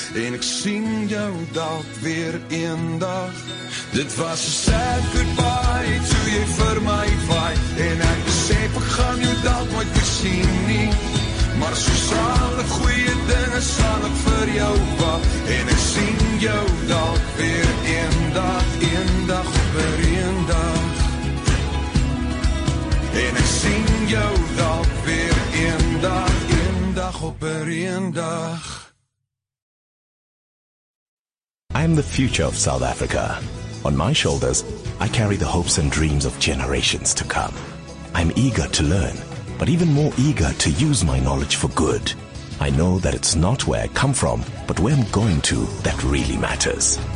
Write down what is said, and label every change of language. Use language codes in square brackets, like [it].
[af] En ek sien jou dalk weer een dag. Dit was [en] sad goodbye, [af] toe jy vir my waai. En ek besef, ek gaan jou dalk nooit weer sien nie. Maar soos alle goeie dinge sal ek vir jou wag. En ek sien jou dalk weer een dag op een dag. En ek sien jou dalk weer een dag op een dag. [en] I'm the future of South Africa. On my shoulders, I carry the hopes and dreams of generations to come. I'm eager to learn, but even more eager to use my knowledge for good. I know that it's not where I come from, but where I'm going to that really matters.